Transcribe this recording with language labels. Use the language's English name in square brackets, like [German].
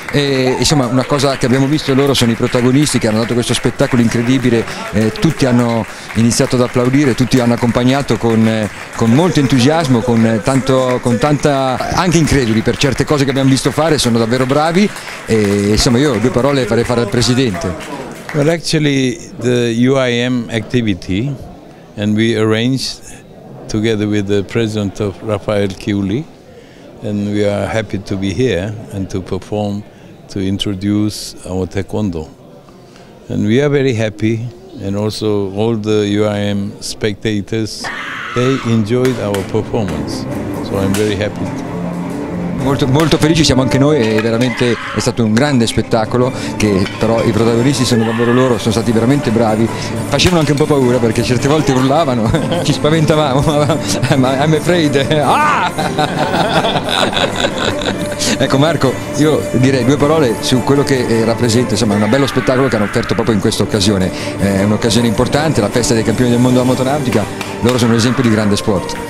[Italian] Insomma, una cosa che abbiamo visto, loro sono i protagonisti che hanno dato questo spettacolo incredibile, tutti hanno iniziato ad applaudire, tutti hanno accompagnato con molto entusiasmo, con tanta anche increduli per certe cose che abbiamo visto fare, sono davvero bravi, e insomma io due parole farei fare al presidente. [English] Well, actually, the UIM activity, and we arranged together with the president of Rafael Chiuli, and we are happy to be here and to perform, to introduce our taekwondo. And we are very happy, and also all the UIM spectators, they enjoyed our performance. So I'm very happy. [Italian] Molto, molto felici siamo anche noi, è veramente è stato un grande spettacolo, che però i protagonisti sono davvero loro, sono stati veramente bravi, facevano anche un po' paura perché certe volte urlavano, ci spaventavamo, ma [English] I'm afraid. [Italian] Ah! Ecco Marco, io direi due parole su quello che rappresenta, insomma è un bello spettacolo che hanno offerto proprio in questa occasione, è un'occasione importante, la festa dei campioni del mondo della motonautica, loro sono un esempio di grande sport.